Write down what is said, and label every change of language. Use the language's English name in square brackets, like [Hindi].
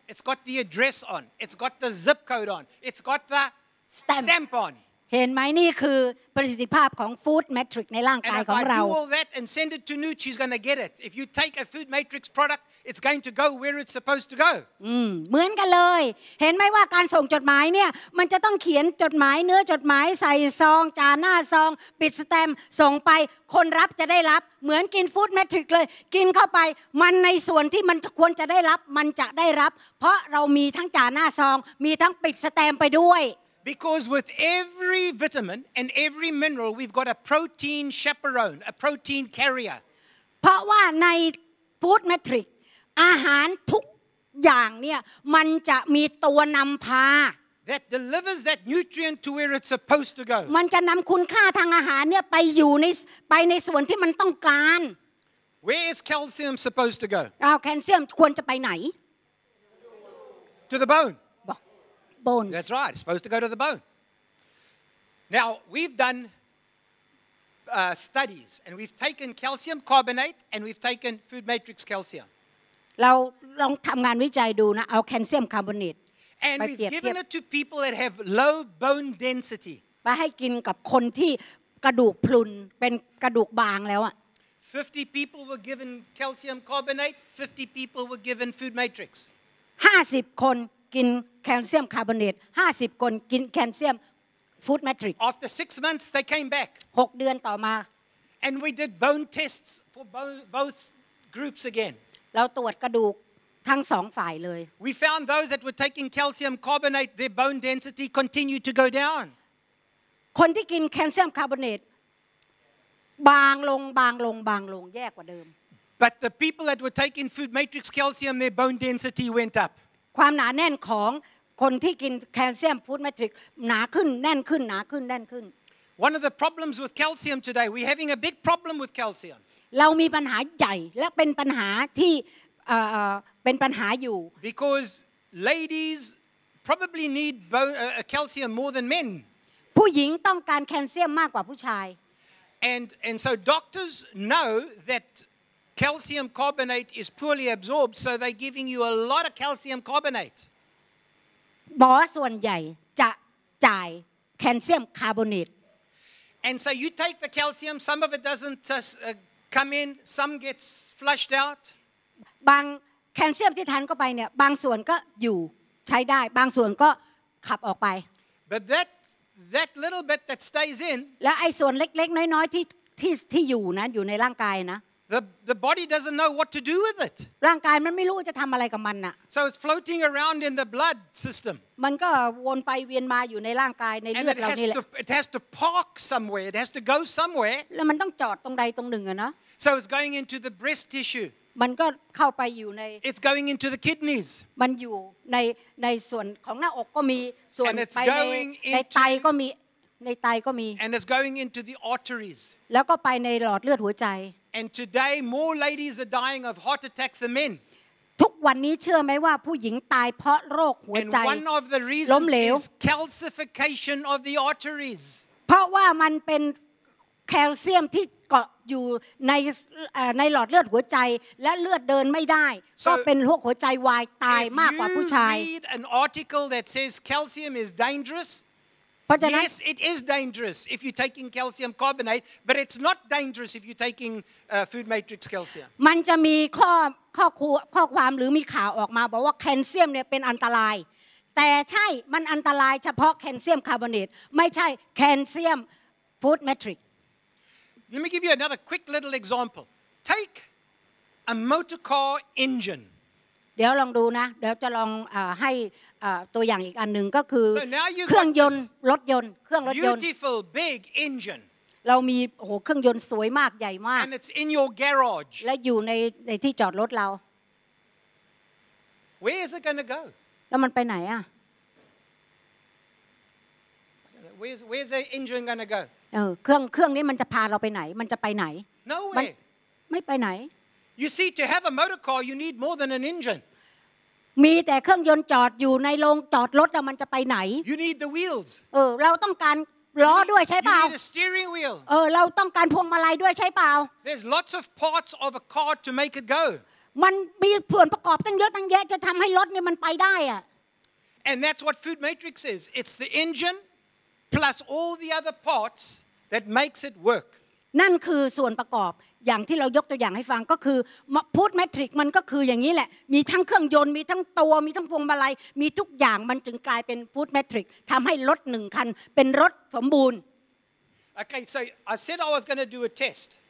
[English] It's got the address on. It's got the zip code on. It's got the stamp on. [Thai] เห็นไหมนี่คือประสิทธิภาพของฟู้ดเมทริกซ์ในร่างกายของเรา [English] And if I do all that and send it to Nu, she's going to get it. If you take a food matrix product, it's going to go where it's supposed to go. [Thai] เหมือนกันเลยเห็นไหมว่าการส่งจดหมายเนี่ยมันจะต้องเขียนจดหมายเนื้อจดหมายใส่ซองจานหน้าซองปิดสแตมป์ส่งไปคนรับจะได้รับเหมือนกินฟู้ดเมทริกซ์เลยกินเข้าไปมันในส่วนที่มันควรจะได้รับมันจะได้รับเพราะเรามีทั้งจานหน้าซองมีทั้งปิดสแตมป์ไปด้วย [English] Because with every vitamin and every mineral, we've got a protein chaperone, a protein carrier. [Thai] เพราะว่าในฟู้ดเมทริกอาหารทุกอย่างเนี่ยมันจะมีตัวนำพา [English] That delivers that nutrient to where it's supposed to go. [Thai] มันจะนำคุณค่าทางอาหารเนี่ยไปอยู่ในไปในส่วนที่มันต้องการ [English] Where is calcium supposed to go? [Thai] อ้าวแคลเซียมควรจะไปไหน [English] To the bone. Bones. That's right. It's supposed to go to the bone. Now, we've done studies and we've taken calcium carbonate and we've taken food matrix calcium. [Thai] เราลองทํางานวิจัยดูนะเอาแคลเซียมคาร์บอเนตไปเทียบ กัน [English] And we've given it to people that have low bone density. [Thai] ไปให้กินกับคนที่กระดูกพรุนเป็นกระดูกบางแล้วอ่ะ [English] 50 people were given calcium carbonate, 50 people were given food matrix. [Thai] 50คนกินแคลเซียมคาร์บอเนต50คนกินแคลเซียมฟู้ดเมทริกซ์ [English] After 6 months they came back [Thai] 6เดือนต่อมา [English] And we did bone tests for both groups again [Thai] เราตรวจกระดูกทั้ง2ฝ่ายเลย [English] We found those that were taking calcium carbonate their bone density continued to go down [Thai] คนที่กินแคลเซียมคาร์บอเนตบางลงบางลงบางลงแย่กว่าเดิม [English] But the people that were taking food matrix calcium their bone density went up [Thai] ความหนาแน่นของคนที่กินแคลเซียมฟู้ดเมทริกซ์หนาขึ้นแน่นขึ้นหนาขึ้นแน่นขึ้น [English] One of the problems with calcium today we're having a big problem with calcium [Thai] เรามีปัญหาใหญ่และเป็นปัญหาที่เป็นปัญหาอยู่ [English] Because ladies probably need calcium more than men [Thai] ผู้หญิงต้องการแคลเซียมมากกว่าผู้ชาย [English] And so doctors know thatCalcium carbonate is poorly absorbed, so they're giving you a lot of calcium carbonate. [Thai] หมอส่วนใหญ่จะจ่ายแคลเซียมคาร์บอเนต [English] And so you take the calcium, some of it doesn't come in, some gets flushed out. [Thai] บางแคลเซียมที่ทานเข้าไปเนี่ยบางส่วนก็อยู่ใช้ได้บางส่วนก็ขับออกไป [English] But that little bit that stays in. [Thai] และไอ้ส่วนเล็กๆน้อยๆที่อยู่นะอยู่ในร่างกายนะ [English] The body doesn't know what to do with it. [Thai] ร่างกายมันไม่รู้จะทำอะไรกับมันน่ะ [English] So it's floating around in the blood system. [Thai] มันก็วนไปเวียนมาอยู่ในร่างกายในเลือดเรานี่แหละ [English] And it has to park somewhere. It has to go somewhere. [Thai] แล้วมันต้องจอดตรงใดตรงหนึ่งอะเนาะ [English] So it's going into the breast tissue. [Thai] มันก็เข้าไปอยู่ใน [English] It's going into the kidneys. [Thai] มันอยู่ในส่วนของหน้าอกก็มีส่วนไปในไตก็มี [English] And it's going into the arteries. [Thai] แล้วก็ไปในหลอดเลือดหัวใจ [English] And today, more ladies are dying of heart attacks than men. [Thai] ทุกวันนี้เชื่อไหมว่าผู้หญิงตายเพราะโรคหัวใจล้มเหลว [English] And one of the reasons is calcification of the arteries. [Thai] เพราะว่ามันเป็นแคลเซียมที่เกาะอยู่ในหลอดเลือดหัวใจและเลือดเดินไม่ได้ก็เป็นโรคหัวใจวายตายมากกว่าผู้ชาย [English] If you read an article that says calcium is dangerous,Yes, it is dangerous if you're taking calcium carbonate, but it's not dangerous if you're taking food matrix calcium. [Thai] มันจะมีข้อความหรือมีข่าวออกมาบอกว่าแคลเซียมเนี่ยเป็นอันตรายแต่ใช่มันอันตรายเฉพาะแคลเซียมคาร์บอเนตไม่ใช่แคลเซียมฟู้ดเมทริก [English] ซ์ Let me give you another quick little example. Take a motor car engine. [Thai] เดี๋ยวลองดูนะเดี๋ยวจะลองให้ตัวอย่างอีกอันนึงก็คือเครื่องยนต์รถยนต์เครื่องรถยนต์ [English] Beautiful big engine [Thai] เรามีโอ้โหเครื่องยนต์สวยมากใหญ่มาก [English] And it's in your garage [Thai] และอยู่ในที่จอดรถเรา [English] Where is it going to go [Thai] แล้วมันไปไหนอ่ะ [English] Where's the engine going to go [Thai] เครื่องนี้มันจะพาเราไปไหนมันจะไปไหน [English] Nowhere [Thai] ไม่ไปไหน [English] You see, to have a motor car, you need more than an engine. [Thai] มีแต่เครื่องยนต์จอดอยู่ในโรงจอดรถแล้วมันจะไปไหน [English] You need the wheels. [Thai] เราต้องการล้อด้วยใช่เปล่า [English] You need a steering wheel. [Thai] เราต้องการพวงมาลัยด้วยใช่เปล่า [English] There's lots of parts of a car to make it go. [Thai] มันมีส่วนประกอบตั้งเยอะตั้งแยะจะทำให้รถเนี่ยมันไปได้อะ [English] And that's what food matrix is. It's the engine, plus all the other parts that makes it work [Thai] นั่นคือส่วนประกอบอย่างที่เรายกตัวอย่างให้ฟังก็คือพุทธแมทริกมันก็คืออย่างนี้แหละมีทั้งเครื่องยนต์มีทั้งตัวมีทั้งพวงมาลัยมีทุกอย่างมันจึงกลายเป็นพุทธแมทริกทำให้รถหนึ่งคันเป็นรถสมบูรณ์ [English] Okay so I said I was going to do a test